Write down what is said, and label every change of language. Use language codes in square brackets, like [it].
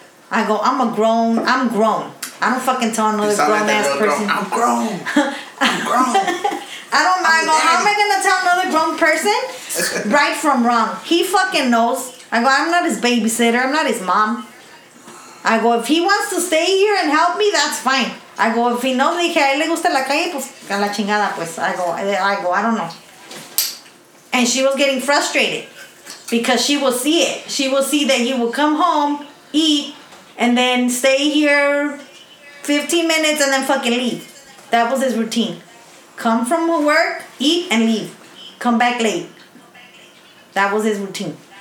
[en] I go, I'm grown. I don't fucking tell another grown-ass person. I'm grown. How am I going to tell another grown person right from wrong? He fucking knows. I go, I'm not his babysitter. I'm not his mom. I go, if he wants to stay here and help me, that's fine. I go, if he knows, [es] le dije, a él le gusta la calle, pues, a la chingada, pues. [en] I go, I don't know. And she was getting frustrated because she will see it. She will see that he will come home, eat, and then stay here 15 minutes and then fucking leave. That was his routine. Come from work, eat, and leave. Come back late. That was his routine.